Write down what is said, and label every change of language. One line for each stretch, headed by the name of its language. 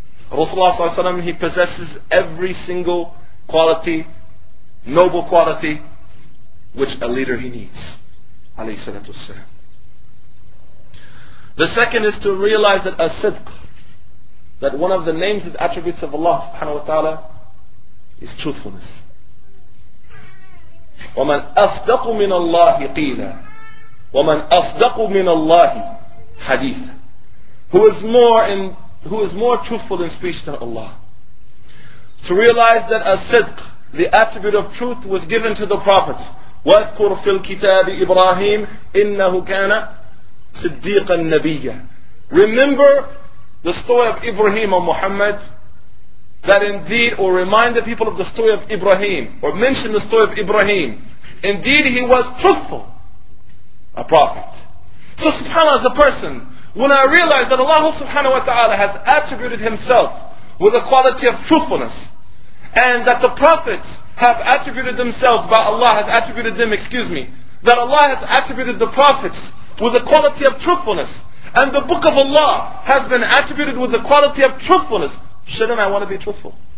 English: Rasulullah ﷺ, he possesses every single quality, noble quality, which a leader he needs. The second is to realize that as-sidq, that one of the names and attributes of Allah subhanahu wa ta'ala is truthfulness.
Arabic: وَمَنْ أَصْدَقُ مِنَ اللَّهِ قِيلًا وَمَنْ أَصْدَقُ مِنَ اللَّهِ حَدِيثًا
English: Who is more truthful in speech than Allah? To realize that as-sidq, the attribute of truth, was given to the prophets.
Arabic: وَاذْكُرْ فِي الْكِتَابِ إِبْرَاهِيمِ إِنَّهُ كَانَ صِدِّيقًا نَبِيًّا
English: Remember the story of Ibrahim or Muhammad. That indeed, or remind the people of the story of Ibrahim, or mention the story of Ibrahim. Indeed, he was truthful, a prophet. So subhanAllah, as a person, when I realize that Allah subhanahu wa ta'ala has attributed himself with a quality of truthfulness, and that the prophets have attributed themselves, by Allah has attributed them, excuse me, that Allah has attributed the prophets with a quality of truthfulness, and the book of Allah has been attributed with the quality of truthfulness, shouldn't I want to be truthful?